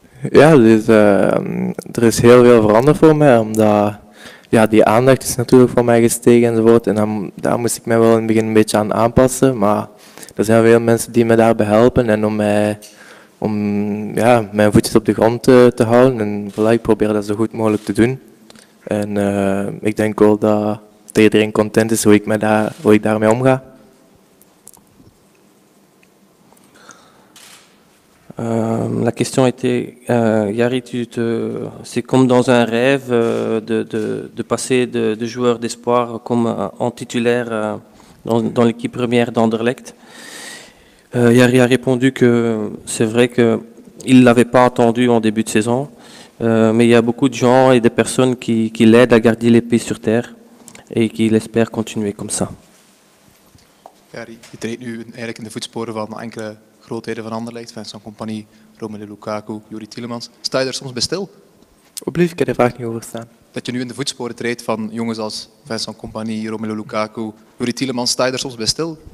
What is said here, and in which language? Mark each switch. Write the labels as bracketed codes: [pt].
[nl] Ja, dus, er is heel veel veranderd voor mij, omdat ja, die aandacht is natuurlijk voor mij gestegen enzovoort, en daar moest ik mij wel in het begin een beetje aan aanpassen, maar er zijn veel mensen die me daarbij helpen en om mij... om ja, mijn voetjes op de grond te houden en voilà, ik probeer dat zo goed mogelijk te doen. En ik denk wel dat iedereen content is hoe ik daarmee omga. [fr] La question était, Jari, c'est comme dans un rêve de passer de joueur d'espoir comme en titulaire dans l'équipe première d'Anderlecht. Yari a répondu que c'est vrai qu'il ne l'avait pas attendu en début de saison, mais il y a beaucoup de gens et des personnes qui l'aident à garder les pieds sur terre et qui l'espèrent continuer comme ça. [nl] Yari, je treedt nu eigenlijk in de voetsporen van enkele grootheden van Anderlecht, Vincent Kompany, Romelu Lukaku, Yuri Tielemans. Sta je daar soms bij stil? Opnieuw, ik heb er vaak niet over staan. Dat je nu in de voetsporen treedt van jongens als Vincent Kompany, Romelu Lukaku, Yuri Tielemans, sta je daar soms bij stil?